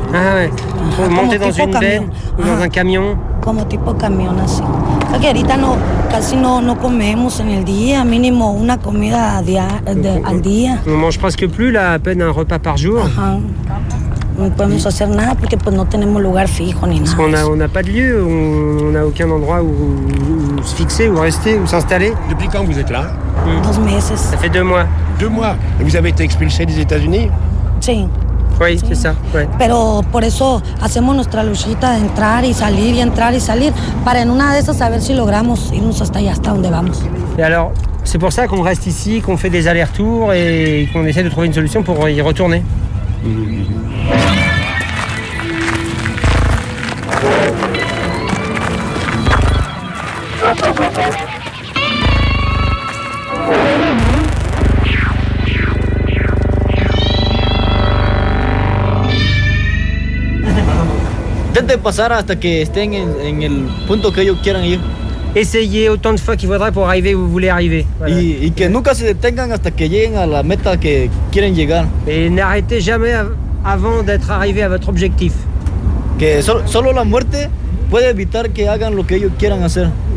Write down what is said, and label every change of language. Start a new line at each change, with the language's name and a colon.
French: Ah ouais, pour monter dans une Benz ou dans un camion.
Spanish: Como tipo camión así. Porque ahorita no, casi no comemos en el día, mínimo una comida al día.
French: On mange presque plus là, à peine un repas par jour.
Spanish: Ajá. No podemos hacer nada porque pues no tenemos lugar fijo ni
French: parce
Spanish: nada.
French: On n'a pas de lieu, on n'a aucun endroit où se fixer, où rester, où s'installer. Depuis quand vous êtes là?
Spanish: 2 meses.
French: Ça fait 2 mois. 2 mois. Et vous avez été expulsé des États-Unis?
Spanish: Sí.
French: Oui, sí. C'est ça. Ouais.
Spanish: Pero por eso hacemos nuestra luchita de entrar y salir y entrar y salir para en una de esas saber si logramos irnos hasta allá, hasta donde vamos.
French: Et alors, c'est pour ça qu'on reste ici, qu'on fait des allers-retours et qu'on essaie de trouver une solution pour y retourner.
Spanish: Tente pasar hasta que estén en el punto que ellos quieran ir.
French: Essayez autant de fois qu'il faudra pour arriver où vous voulez arriver. Voilà.
Spanish: Y que nunca se detengan hasta que lleguen a la meta que quieren llegar.
French: Et n'arrêtez jamais avant d'être arrivé à votre objectif.
Spanish: Que solo la muerte puede evitar que hagan lo que ellos quieran hacer.